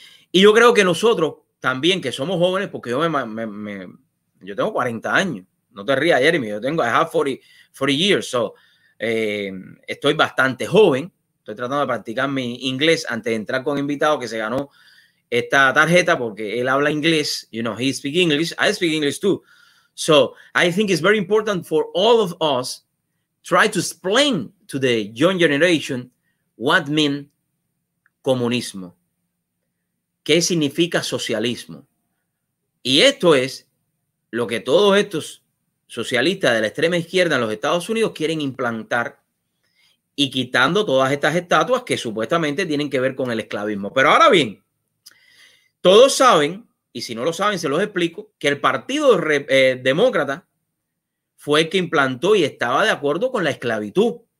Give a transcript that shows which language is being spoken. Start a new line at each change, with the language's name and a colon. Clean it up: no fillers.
Spanish: Y yo creo que nosotros también, que somos jóvenes, porque yo tengo 40 años, no te rías, Jeremy,
English: I have 40 years,
Spanish: so estoy bastante joven. Estoy tratando de practicar mi inglés antes de entrar con invitado que se ganó esta tarjeta porque él habla inglés.
English: You know, he speak English, I speak English too. So I think it's very important for all of us try to explain to the young generation what mean comunismo.
Spanish: ¿Qué significa socialismo? Y esto es lo que todos estos socialistas de la extrema izquierda en los Estados Unidos quieren implantar y quitando todas estas estatuas que supuestamente tienen que ver con el esclavismo. Pero ahora bien, todos saben, y si no lo saben, se los explico, que el Partido Demócrata fue el que implantó y estaba de acuerdo con la esclavitud.